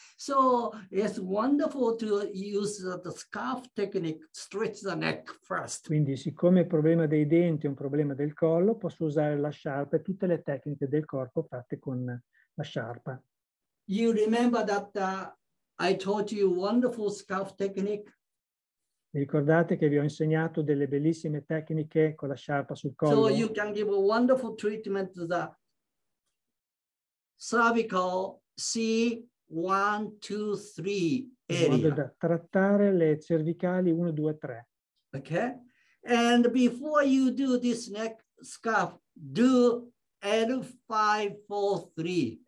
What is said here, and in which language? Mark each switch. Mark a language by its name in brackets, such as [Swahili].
[English] So it's wonderful to use the scarf technique, stretch the neck first. [Italian] Quindi siccome il problema dei denti è un problema del collo, posso usare la sciarpa e tutte le tecniche del corpo fatte con la sciarpa. [English] You remember that I taught you wonderful scarf technique? [Italian] Ricordate che vi ho insegnato delle bellissime tecniche con la sciarpa sul collo? [English] So you can give a wonderful treatment to the cervical C1-2-3 area. [Italian] In modo da trattare le cervicali 1-2-3. [English] Okay? And before you do this neck scarf, do L5-4-3.